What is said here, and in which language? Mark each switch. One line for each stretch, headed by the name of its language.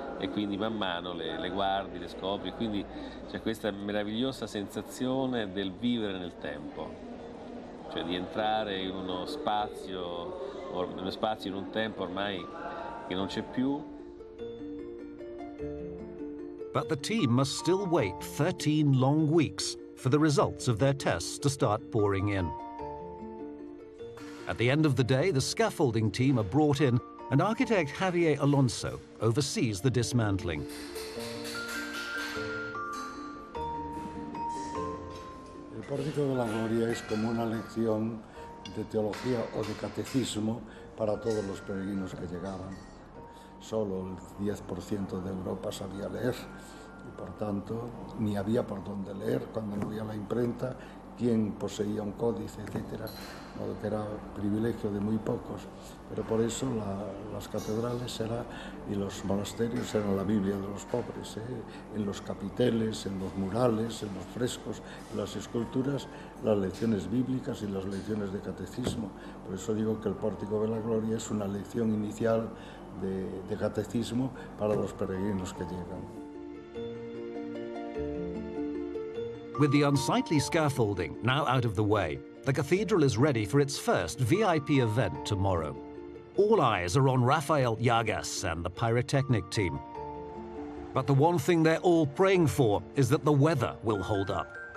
Italian: E quindi man mano le guardi, le scopri. Quindi c'è questa meravigliosa sensazione del vivere nel tempo. Cioè di entrare in uno spazio in un tempo ormai che non c'è più.
English: But the team must still wait 13 long weeks for the results of their tests to start pouring in. At the end of the day, the scaffolding team are brought in and architect Javier Alonso oversees the dismantling.
Spanish: El pórtico de la gloria es como una lección de teología o de catecismo para todos los peregrinos que llegaban. Solo el 10% de Europa sabía leer y, por tanto, ni había por dónde leer cuando no había la imprenta, quién poseía un códice, etcétera, lo que era privilegio de muy pocos. Pero por eso las catedrales eran, y los monasterios eran la Biblia de los pobres. En los capiteles, en los murales, en los frescos, en las esculturas, las lecciones bíblicas y las lecciones de catecismo. Por eso digo que el Pórtico de la Gloria es una lección inicial de catecismo para los peregrinos que llegan.
English: With the unsightly scaffolding now out of the way, the cathedral is ready for its first VIP event tomorrow. All eyes are on Rafael Yagas and the pyrotechnic team. But the one thing they're all praying for is that the weather will hold up.